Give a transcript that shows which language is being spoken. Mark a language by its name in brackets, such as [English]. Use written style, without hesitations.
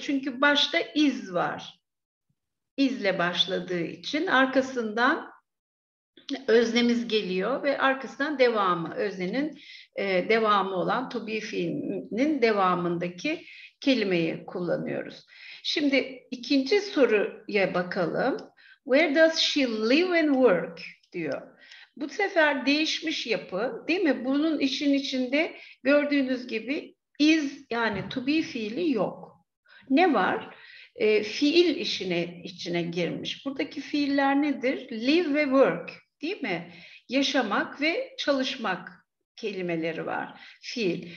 [Turkish] Çünkü başta is var. Is ile başladığı için arkasından öznemiz geliyor ve arkasından devamı, öznenin devamı olan to be fiilinin devamındaki kelimeyi kullanıyoruz. Şimdi ikinci soruya bakalım. [English] Where does she live and work? [Turkish] Diyor. Bu sefer değişmiş yapı, değil mi? Bunun işin içinde gördüğünüz gibi is, yani to be fiili yok. Ne var? Fiil işine içine girmiş. Buradaki fiiller nedir? Live ve work, değil mi? Yaşamak ve çalışmak kelimeleri var. Fiil.